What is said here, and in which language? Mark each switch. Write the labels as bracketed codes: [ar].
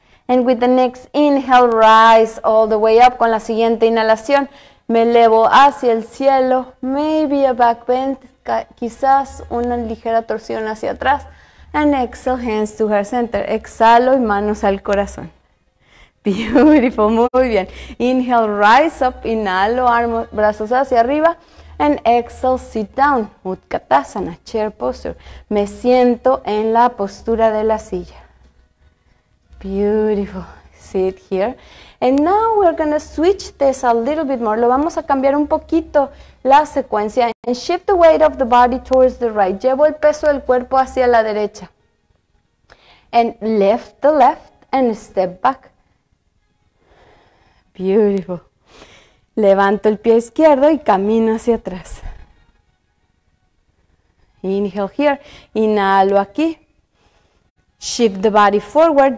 [en] And with the next inhale, rise all the way up. [es] Con la siguiente inhalación, me elevo hacia el cielo. [en] Maybe a back bend, [es] quizás una ligera torsión hacia atrás. [en] And exhale, hands to heart center. [es] Exhalo y manos al corazón. [en] Beautiful, [es] muy bien. [en] Inhale, rise up, [es] inhalo, armos, brazos hacia arriba. [en] And exhale, sit down, Utkatasana, chair posture. [es] Me siento en la postura de la silla. [en] Beautiful, sit here. And now we're going to switch this a little bit more. [es] Lo vamos a cambiar un poquito la secuencia. [en] And shift the weight of the body towards the right. [es] Llevo el peso del cuerpo hacia la derecha. [en] And lift the left and step back. [es] Beautiful. Levanto el pie izquierdo y camino hacia atrás. [en] Inhale here. [es] Inhalo aquí. [en] Shift the body forward.